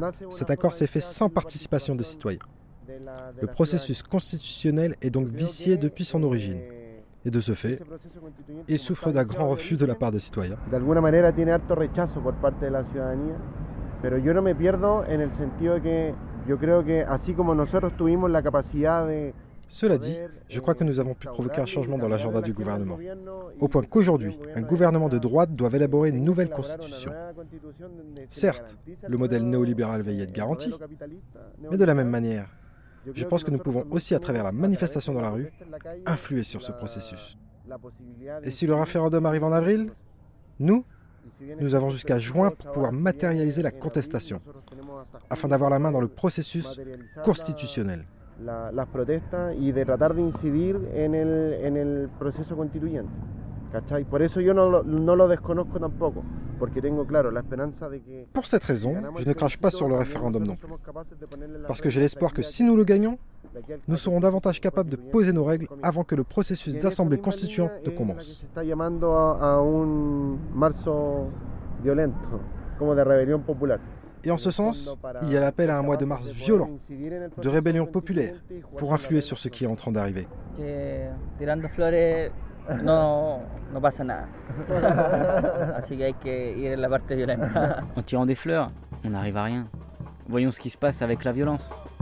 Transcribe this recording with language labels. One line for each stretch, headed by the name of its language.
French: Cet accord s'est fait sans participation des citoyens. Le processus constitutionnel est donc vicié depuis son origine. Et de ce fait, il souffre d'un grand refus de la part des citoyens.
Spanish: D'alguna manera, tiene harto rechazo por parte de la ciudadanía. Pero yo no me pierdo en el sentido que yo creo que así como nosotros tuvimos la capacidad de.
French: Cela dit, je crois que nous avons pu provoquer un changement dans l'agenda du gouvernement, au point qu'aujourd'hui, un gouvernement de droite doit élaborer une nouvelle constitution. Certes, le modèle néolibéral va y être garanti, mais de la même manière, je pense que nous pouvons aussi, à travers la manifestation dans la rue, influer sur ce processus. Et si le référendum arrive en avril, nous avons jusqu'à juin pour pouvoir matérialiser la contestation, afin d'avoir la main dans le processus constitutionnel.
Spanish: Las protestas y de tratar de incidir en el proceso constituyente. ¿Cachai? Por eso yo no lo desconozco tampoco, porque tengo claro la esperanza de que.
French: Pour cette raison, je ne crache pas sur le référendum non plus. Parce que j'ai l'espoir que si nous le gagnons, nous serons davantage capables de poser nos règles avant que le processus d'assemblée constituante ne commence.
Spanish: Se está llamando a un marzo violento, como de rébelión popular.
French: Et en ce sens, il y a l'appel à un mois de mars violent, de rébellion populaire, pour influer sur ce qui est en train d'arriver.
Spanish: Tirando flores, no pasa nada. Así que hay que ir en la parte violenta.
French: En tirant des fleurs, on n'arrive à rien. Voyons ce qui se passe avec la violence.